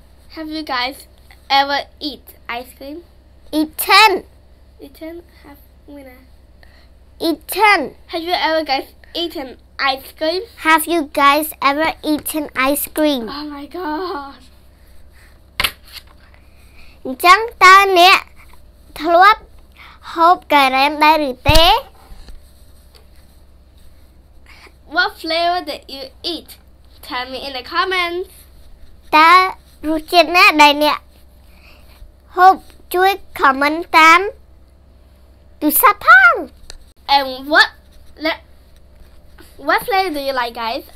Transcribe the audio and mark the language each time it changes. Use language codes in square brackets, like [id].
[en] Have you guys ever eat ice cream? Eaten. Eaten? Have we not? Eaten. Have you ever guys eaten ice cream? Have you guys ever eaten ice cream? Oh my god. [km] អញ្ចឹងតើអ្នកធ្លាប់ហូបការ៉េមដែរឬទេ? [en] What flavor did you eat? Tell me in the comments. [km] តើរសជាតិណាដែលអ្នកហូបជួយ comment តាមទូរស័ព្ទផង [en] And what flavor do you like, guys?